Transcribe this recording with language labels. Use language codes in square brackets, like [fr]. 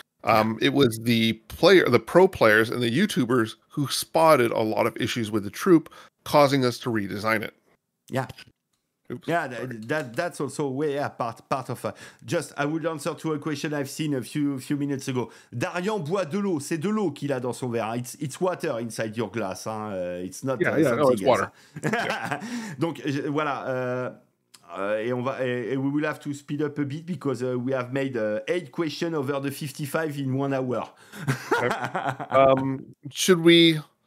[en] It was the pro players and the YouTubers who spotted a lot of issues with the troop, causing us to redesign it. Yeah. Oops. Yeah, that's also way part of just I would answer to a question I've seen a few minutes ago. [fr] Darian boit de l'eau, c'est de l'eau qu'il a dans son verre. [en] It's water inside your glass. Hein. It's not something. It's water. [fr] Donc voilà, et [en] we will have to speed up a bit because we have made 8 questions over the 55 in 1 hour. Okay. Should we?